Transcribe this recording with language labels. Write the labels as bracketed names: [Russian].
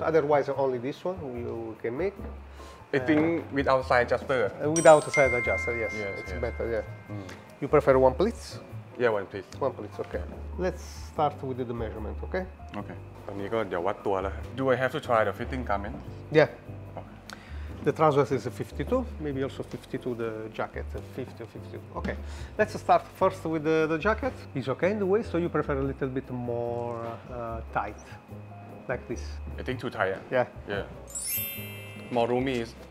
[English] Otherwise, only this one you can make. I think without side adjuster. Without side adjuster, yes. It's better, yeah. You prefer one pleats? Yeah, one pleats. One pleats, okay. Let's start with the measurement, okay? Okay. [Thai] ตอนนี้ก็เดี๋ยววัดตัวแล้ว [English] Do I have to try the fitting garment? Yeah. Okay. The trousers is 52, maybe also 52 the jacket, 50 or 52. Okay, let's start first with the jacket. It's okay in the waist, so you prefer a little bit more tight, like this? I think too tight, yeah. Yeah. More roomy is...